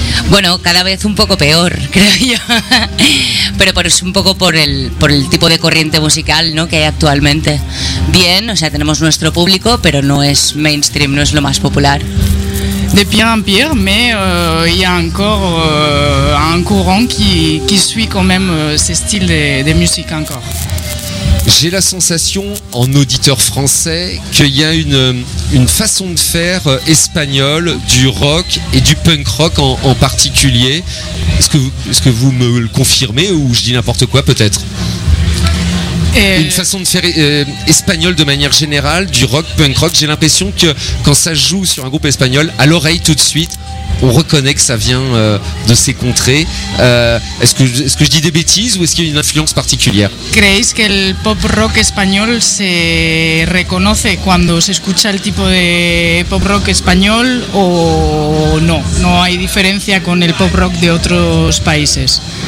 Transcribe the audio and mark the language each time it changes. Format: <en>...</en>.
<es>Bueno, cada vez un poco peor, creo yo. Pero es un poco por el tipo de corriente musical, ¿no?, que hay actualmente. Bien, o sea, tenemos nuestro público, pero no es mainstream, no es lo más popular.</es> <fr>De pie en pie, mais il y a encore un courant qui suit quand même ce style de musique encore. J'ai la sensation, en auditeur français, qu'il y a une façon de faire espagnole du rock et du punk rock en particulier. Est-ce que vous me le confirmez ou je dis n'importe quoi peut-être? Une façon de faire espagnole de manière générale, du rock, punk rock, j'ai l'impression que quand ça joue sur un groupe espagnol, à l'oreille tout de suite, on reconnaît que ça vient de ces contrées. Est-ce que je dis des bêtises ou est-ce qu'il y a une influence particulière?</fr> <es>¿Creéis que el pop rock español se reconoce cuando se escucha el tipo de pop rock español o no? No hay diferencia con el pop rock de otros países.</es>